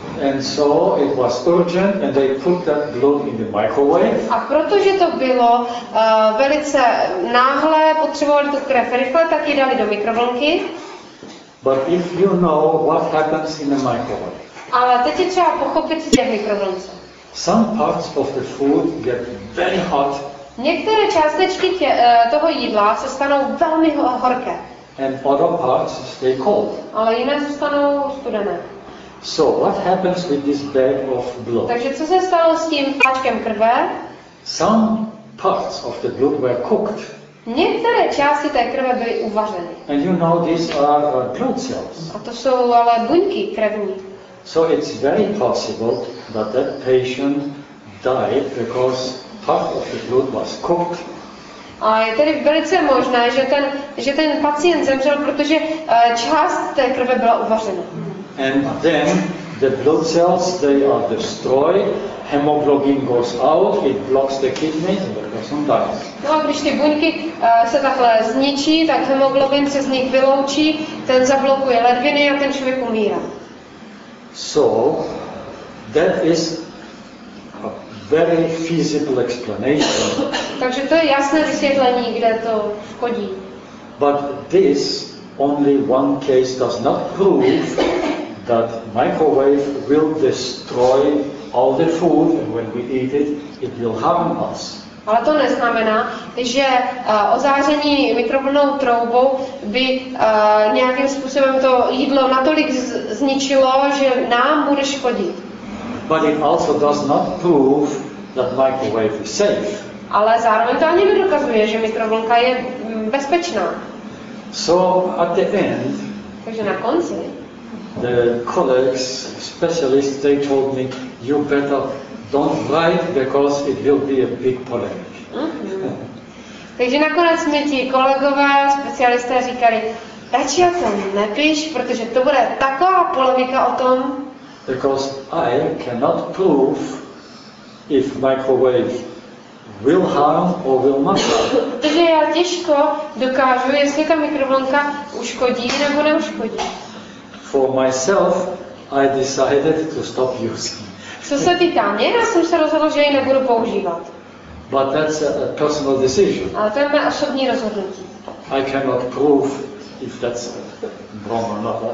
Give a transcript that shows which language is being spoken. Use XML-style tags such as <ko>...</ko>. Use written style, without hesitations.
<en>And so it was urgent, and they put that blood in the microwave.</en> <cs>A protože to bylo velice náhle, potřebovali tu krev rychle, tak ji dali do mikrovlnky.</cs> <en>But if you know what happens in the microwave.</en> <cs>Ale teď je třeba pochopit si těch mikrovlnce.</cs> <en>Some parts of the food get very hot.</en> <cs>Některé částečky toho jídla se stanou velmi horké.</cs> <en>And other parts stay cold.</en> <cs>Ale jiné se stanou studené.</cs> <en>So what happens with this bag of blood?</en> <cs>Takže co se stalo s tím pláčkem krve?</cs> <en>Some parts of the blood were cooked.</en> <cs>Některé části té krve byly uvařeny.</cs> <en>And you know these are blood cells.</en> <cs>A to jsou ale buňky krevní.</cs> <en>So it's very possible that that patient died because part of the blood was cooked.</en> <cs>A je tedy velice možné, že ten pacient zemřel, protože část té krve byla uvařena.</cs> <en>And then the blood cells, they are destroyed, hemoglobin goes out, it blocks the kidneys, and the person dies.</en> <cs>No a když ty buňky se takhle zničí, tak hemoglobin se z nich vyloučí, ten zablokuje ledviny a ten člověk umírá.</cs> <en>So, that is a very feasible explanation.</en> <cs>Takže to je jasné vysvětlení, kde to škodí.</cs> <en>But this only one case does not prove that microwave will destroy all the food and when we eat it, it will harm us.</en> <cs>Ale to neznamená, že ozáření mikrovlnnou troubou by nějakým způsobem to jídlo natolik zničilo, že nám bude škodit.</cs> <en>But it also does not prove that microwave is safe.</en> <cs>Ale zároveň to ani nedokazuje, že mikrovlnka je bezpečná.</cs> <en>So at the end.</en> <cs>Takže na konci.</cs> <en>The colleagues, specialists, they told me, you better don't write because it will be a big polemic.</en> <cs>Takže nakonec mi ti kolegové, specialisté říkali, radši o tom nepiš, protože to bude taková polemika o tom.</cs> <en>Because I cannot prove if microwave will harm or will not harm.</en> <cs>Takže já těžko dokážu, jestli ta mikrovlnka uškodí nebo neuškodí.</cs> <en>For myself, I decided to stop using.</en> <cs>Co se týká mě, já jsem se rozhodl, že ji nebudu používat.</cs> <en>But that's a personal decision.</en> <cs>A to je mé osobní rozhodnutí.</cs> <en>I cannot prove if that's wrong or not.</en>